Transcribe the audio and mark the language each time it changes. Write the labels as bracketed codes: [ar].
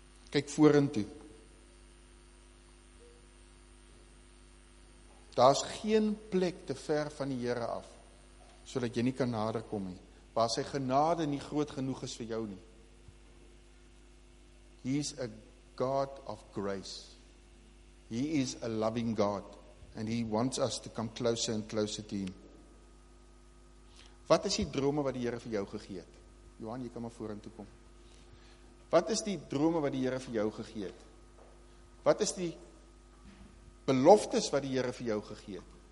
[af] Kyk vorentoe. Daar is geen plek te ver van die Here af, sodat jy nie kan nader kom nie, waar sy genade nie groot genoeg is vir jou nie. [en] He is a God of grace. He is a loving God, and He wants us to come closer and closer to Him. [af] Wat is die drome wat die Here vir jou gegee het? Johan, jy kan maar vorentoe kom. Wat is die drome wat die Here vir jou gegee het? Wat is die beloftes wat die Here vir jou gegee het?